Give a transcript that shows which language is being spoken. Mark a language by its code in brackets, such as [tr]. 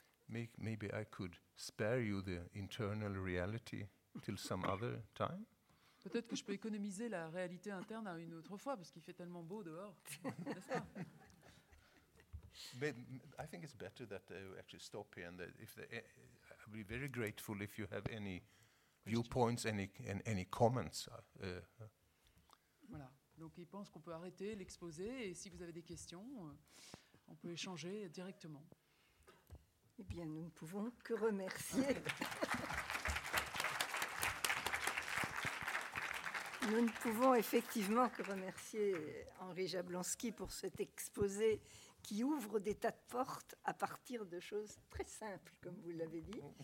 [en] maybe I could spare you the internal reality till some other time. [fr] Peut-être que je peux économiser la réalité interne à une autre fois parce qu'il fait tellement beau dehors, n'est-ce pas? [en] I think it's better that you actually stop here, and that if the, I'd be very grateful if you have any viewpoints, any comments. [fr] Voilà. Donc il pense qu'on peut arrêter l'exposé, et si vous avez des questions, on peut échanger directement. Eh bien, nous ne pouvons que remercier. Nous ne pouvons effectivement que remercier Henri Jablonski pour cet exposé qui ouvre des tas de portes à partir de choses très simples, comme vous l'avez dit.